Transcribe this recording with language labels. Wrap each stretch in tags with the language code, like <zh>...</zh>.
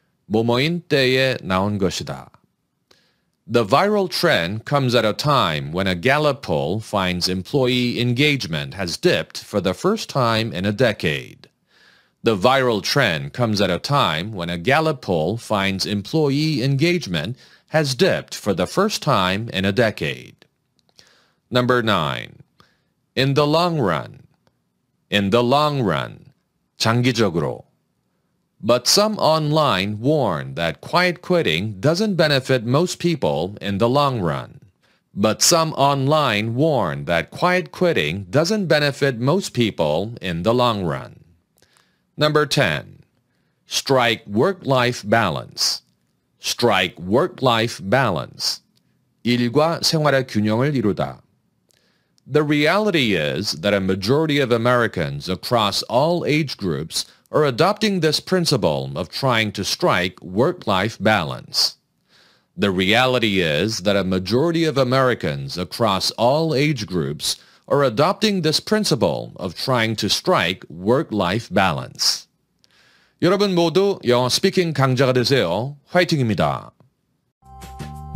<ko>뭐뭐인 때에 나온 것이다.</ko> <en>The viral trend comes at a time when a Gallup poll finds employee engagement has dipped for the first time in a decade. The viral trend comes at a time when a Gallup poll finds employee engagement has dipped for the first time in a decade. Number 9. In the long run. In the long run.</en> <ko>장기적으로.</ko> <en>But some online warn that quiet quitting doesn't benefit most people in the long run. But some online warn that quiet quitting doesn't benefit most people in the long run. Number 10. Strike work-life balance. Strike work-life balance.</en> <ko>일과 생활의 균형을 이루다.</ko> <en>The reality is that a majority of Americans across all age groups are adopting this principle of trying to strike work-life balance. The reality is that a majority of Americans across all age groups are adopting this principle of trying to strike work-life balance.</en> <ko>여러분 모두 영어 스피킹 강자가 되세요. 화이팅입니다.</ko>